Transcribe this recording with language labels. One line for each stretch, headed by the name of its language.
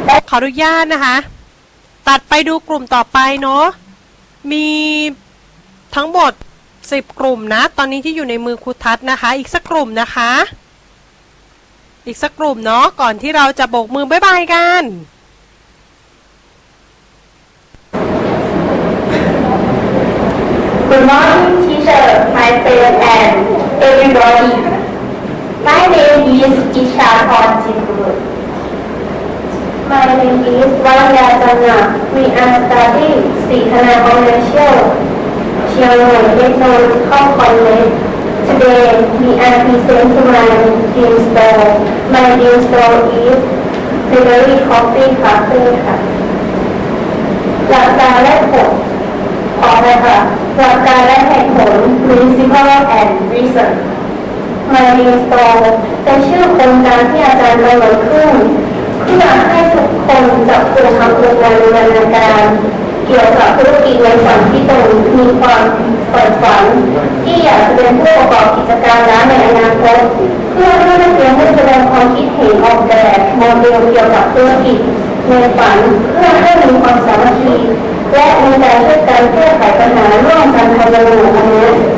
Thai: ขออนุญาตนะคะตัดไปดูกลุ่มต่อไปเนาะมีทั้งหมด10กลุ่มนะตอนนี้ที่อยู่ในมือครูทัศน์นะคะอีกสักกลุ่มนะคะอีกสักกลุ่มเนาะก่อนที่เราจะโบกมือบ๊ายบายกัน
English: Good morning, teacher, my friend, and everybody. My name is Isha Kornjibur. My name is Wang Yajana. We are studying Sihana Commercial, Chiang Mai Technological College. Today, we are present to my dream store. My dream store is Bakery Coffee Cafe.
Thai: หลักการและผลพอไหมคะหลักการและเหตุผล
English: principle and reason
Thai: มาเรียนต่อแต่ชื่อโครงการที่อาจารย์กำหนดขึ้น เพื่อให้ทุกคนจับกลุ่มทำโครงการบูรณาการเกี่ยวกับธุรกิจในฝันที่ตนมีความฝันฝันที่อยากจะเป็นผู้ประกอบกิจการร้านในอนาคตเพื่อให้นักเรียนได้แสดงความคิดเห็นออกแบบโมเดลเกี่ยวกับธุรกิจในฝันเพื่อให้มีความสามัคคีและมีการช่วยกันแก้ไขปัญหาร่วมกันทำงานนี้